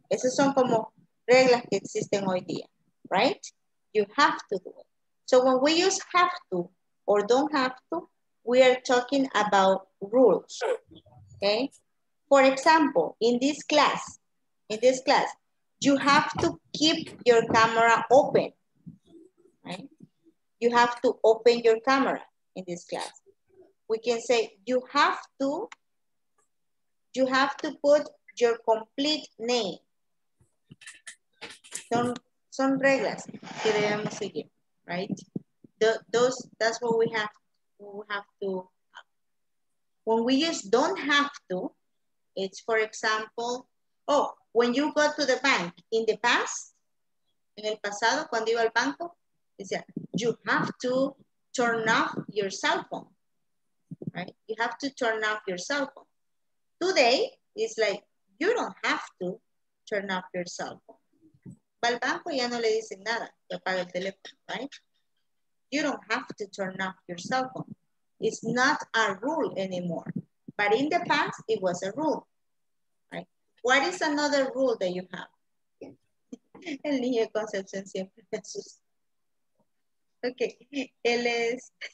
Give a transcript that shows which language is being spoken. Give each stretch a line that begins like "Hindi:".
Spanish: Esas son como reglas que existen hoy día, right?
English: You have to do it. So when we use have to or don't have to, we are talking about rules, okay? For example, in this class, you have to keep your camera open, right? You have to open your camera in this class. We can say you have to put your complete name.
Spanish: Son reglas que debemos seguir, right?
English: That's what we have to. When we use don't have to, it's for example, oh, when you go to the bank in the past,
Spanish: en el pasado, cuando iba al banco, decía,
English: you have to turn off your cell phone. Right? You have to turn off your cell phone. Today, it's like, you don't have to turn off your cell phone.
Spanish: Al banco ya no le dicen nada, te apaga el teléfono, right?
English: You don't have to turn off your cell phone. It's not a rule anymore. But in the past, it was a rule, right? What is another rule that you have?
Spanish: El niño Concepción siempre me asusta. Okay, él es...